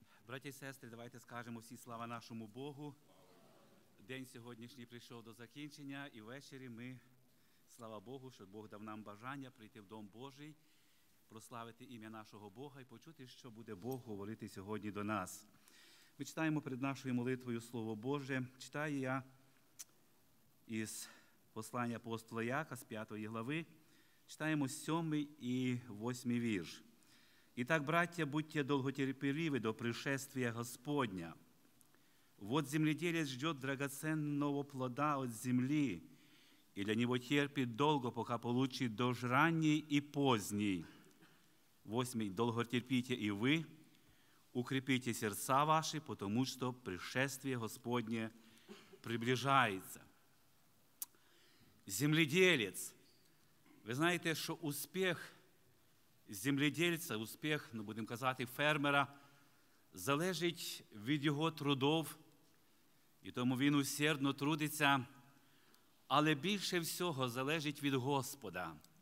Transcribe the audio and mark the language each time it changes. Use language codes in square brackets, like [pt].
[ru] Братья и сестры, давайте скажем всі слава нашему Богу. [uk] День сьогоднішній прийшов до закінчення, і ввечері ми, слава Богу, що Бог дав нам бажання прийти в Дом Божий, прославити ім'я нашого Бога і почути, що буде Бог говорити сьогодні до нас. Ми читаємо перед нашою молитвою Слово Боже. Читаю я із послання апостола Яка з 5 глави. Читаємо 7 і 8 вірш. [ru] «Итак, братья, будьте долготерпеливы до пришествия Господня. Вот земледелец ждет драгоценного плода от земли, и для него терпит долго, пока получит дождь ранний и поздний. Восьмый, долготерпите и вы, укрепите сердца ваши, потому что пришествие Господне приближается». Земледелец. Вы знаете, что успех [uk] земледельця, успіх, ну, будемо казати, фермера, залежить від його трудов, і тому він усердно трудиться, але більше всього залежить від Господа.